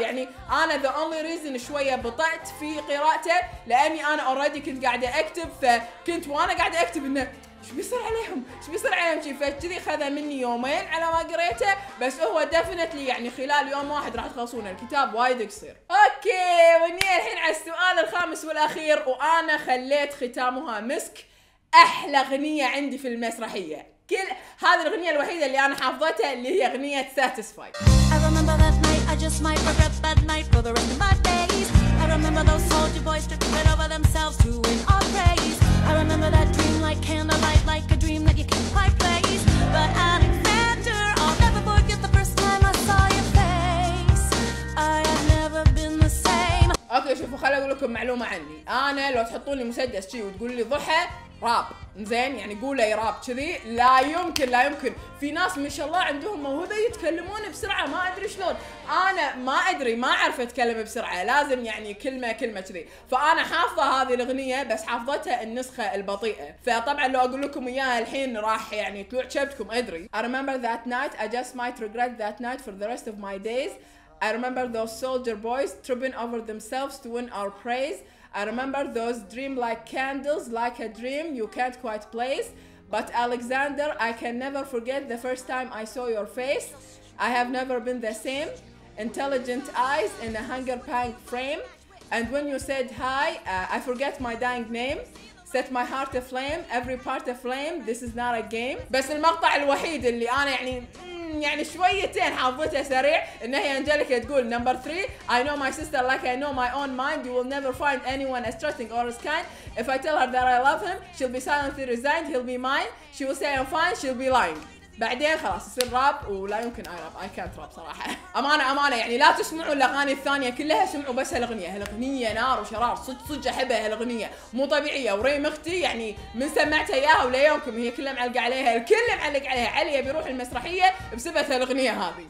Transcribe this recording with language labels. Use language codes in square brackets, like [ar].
[ar] يعني أنا [en] the only reason [ar] شوية بطأت في قراءته لأني أنا already كنت قاعدة أكتب، فكنت وأنا قاعدة أكتب إنه شو بيصير عليهم شي، فكذي خذ مني يومين على ما قريته، بس هو definitely يعني خلال يوم واحد راح تخلصونه، الكتاب وايد قصير. أوكي وني الحين على السؤال الخامس والأخير، وأنا خليت ختامها مسك، أحلى أغنية عندي في المسرحية، كل هذه الأغنية الوحيدة اللي أنا حافظتها اللي هي أغنية satisfy. [en] I just might regret that night for the rest of my days. I remember those soldier boys tripping right over themselves to win our praise. I remember that dream like candlelight, like a dream that you can't quite place. But Alexander, I'll never forget the first time I saw your face. I have never been the same. [ar] Okay, شوفوا خليني أقول لكم معلومة عني. أنا لو تحطون لي مسدس شيء وتقول لي ضحى راب، زين يعني قولي راب كذي، لا يمكن لا يمكن. في ناس ما شاء الله عندهم موهبة يتكلمون بسرعة، ما أدري شلون، أنا ما أدري، ما أعرف أتكلم بسرعة، لازم يعني كلمة كلمة كذي. فأنا حافظة هذه الأغنية بس حافظتها النسخة البطيئة، فطبعا لو أقول لكم إياها الحين راح يعني تلوع شبتكم أدري. [en] I remember that night, I just might regret that night for the rest of my days. I remember those soldier boys tripping over themselves to win our praise. I remember those dream-like candles, like a dream you can't quite place. But Alexander, I can never forget the first time I saw your face. I have never been the same. Intelligent eyes in a hunger-pang frame. And when you said hi, I forget my dying name. Set my heart aflame, every part aflame. This is not a game. [ar] بس المقطع الوحيد اللي أنا يعني شويتين حافظتها سريع، ان هي انجليكا تقول [en] number 3 I know my sister like I know my own mind, you will never find anyone as trusting or as kind. If I tell her that I love him, she'll be silently resigned, he'll be mine. She will say I'm fine, she'll be lying. [ar] بعدين خلاص يصير راب، ولا يمكن [en] I can't rap [ar] صراحة. أمانة يعني لا تسمعوا الأغاني الثانية كلها، سمعوا بس هالأغنية، هالأغنية نار وشرار، صدق أحبها هالأغنية، مو طبيعية. وريم أختي يعني من سمعتها إياها وليومكم هي كلها معلقة عليها، الكل معلق عليها، علي بيروح المسرحية بسبب هالأغنية هذه.